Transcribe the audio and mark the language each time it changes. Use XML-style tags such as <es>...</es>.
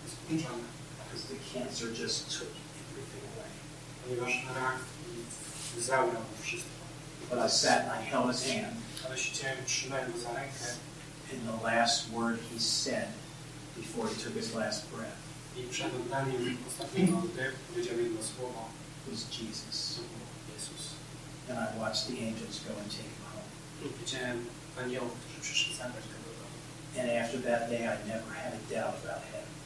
<en>Because the cancer just took everything away.</en> <pl>Ponieważ rak zabrał mu wszystko.</pl> <en>But I sat and I held his hand.</en> <pl>Ale siedziałem i trzymałem go za rękę.</pl> <en>And the last word he said before he took his last breath.</en> <pl>I przed oddaniem ostatniego oddechu powiedział jedno słowo.</pl> <en>Was Jesus.</en> <pl>Jezus.</pl> <en>And I watched the angels go and take him home.</en> <pl>I widziałem aniołów, którzy przyszli zabrać go.</pl> <en>And after that day, I never had a doubt about heaven.</en>